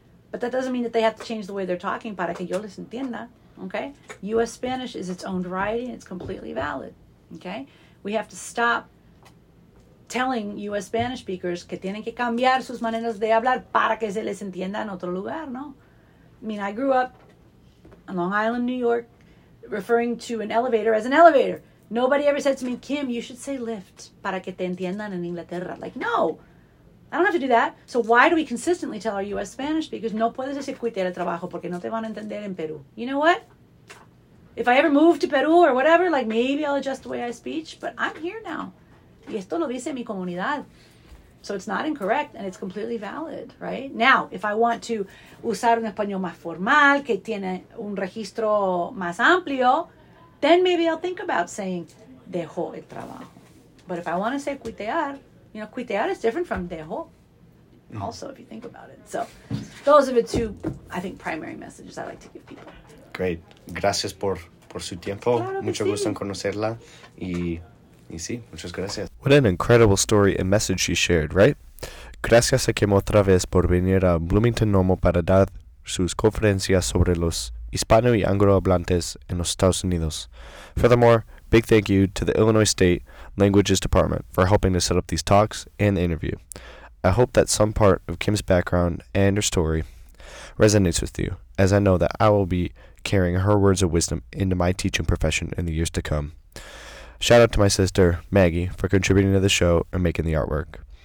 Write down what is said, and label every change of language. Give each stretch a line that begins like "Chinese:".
English: But that doesn't mean that they have to change the way they're talking
Spanish: para que yo les entienda,
English: okay? U.S. Spanish is its own variety and it's completely valid, okay? We have to stop telling U.S. Spanish speakers
Spanish: que tienen que cambiar sus maneras de hablar para que se les entienda en otro lugar, ¿no?
English: I mean, I grew up in Long Island, New York, referring to an elevator as an elevator. Nobody ever said to me, Kim, you should say lift
Spanish: para que te entiendan en Inglaterra.
English: Like, no, I don't have to do that. So why do we consistently tell our U.S. Spanish speakers,
Spanish: no puedes decir cuitear el trabajo porque no te van a entender en Perú?
English: You know what? If I ever move to Perú or whatever, like, maybe I'll adjust the way I speech, but I'm here now.
Spanish: Y esto lo dice mi comunidad.
English: So it's not incorrect and it's completely valid, right? Now, if I want to
Spanish: usar un español más formal, que tiene un registro más amplio,
English: then maybe I'll think about saying,
Spanish: dejó el trabajo.
English: But if I want to say cuitear, you know, cuitear is different from dejó. Also, if you think about it. So those are the two, I think, primary messages I like to give people. Great.
Spanish: Gracias por su tiempo. Claro Mucho que gusto sí. en conocerla. Y sí, muchas gracias.
English: What an incredible story and message she shared, right?
Spanish: Gracias a Kim otra vez por venir a Bloomington Normal para dar sus conferencias sobre los hispano y anglohablantes en los Estados Unidos.
English: Furthermore, big thank you to the Illinois State Languages Department for helping to set up these talks and the interview. I hope that some part of Kim's background and her story resonates with you, as I know that I will be carrying her words of wisdom into my teaching profession in the years to come. Shout out to my sister, Maggie, for contributing to the show and making the artwork.